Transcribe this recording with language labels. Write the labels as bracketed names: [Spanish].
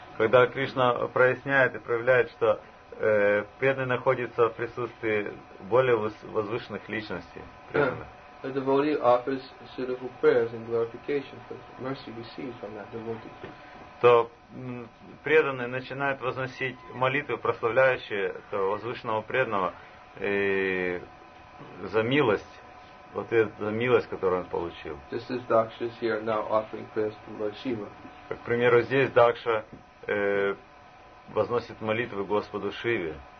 [Russian] Когда Кришна проясняет и проявляет, что преданный находится в присутствии более возвышенных личностей. [English] A devotee offers suitable prayers and glorification for the mercy received from that devotee. [Russian] То преданный начинает возносить молитвы, прославляющие этого возвышенного преданного за милость, вот за милость, которую он получил. [English] This is Daksha here now offering prayers to Lord Shiva. [Russian] Как, к примеру, здесь Дакша возносит молитвы Господу Шиве.